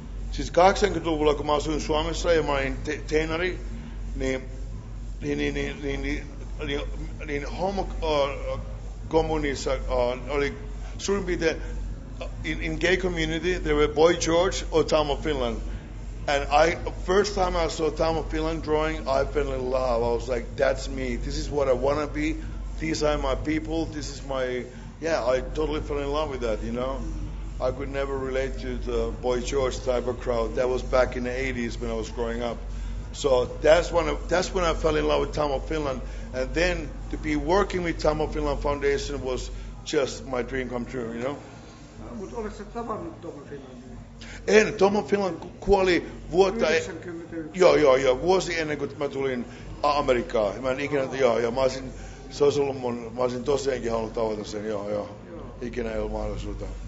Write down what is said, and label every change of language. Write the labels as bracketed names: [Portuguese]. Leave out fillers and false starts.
[Finnish] Siis 80-luvulla, kun mä asuin Suomessa ja mä olin teinari, niin homokommunissa oli suurin piirtein, [English] in gay community, there were Boy George or Tom of Finland. And I, first time I saw Tom of Finland drawing, I fell in love. I was like, that's me. This is what I want to be. These are my people. This is my... Yeah, I totally fell in love with that, you know. I could never relate to the Boy George type of crowd. That was back in the 80s when I was growing up. So that's when I fell in love with Tom of Finland. And then to be working with Tom of Finland Foundation was just my dream come true, you know. [Finnish] Mutta oletko sä tavannut Tom of Finland? En. Tom of Finland kuoli vuotta... 91. Joo. Vuosi ennen kuin mä tulin Amerikkaan. Mä en ikinä... Joo, mä olisin... Se olisi ollut mun, mä olisin tosiaankin halunnut tavata sen, joo. Ikinä ei ollut mahdollisuutta.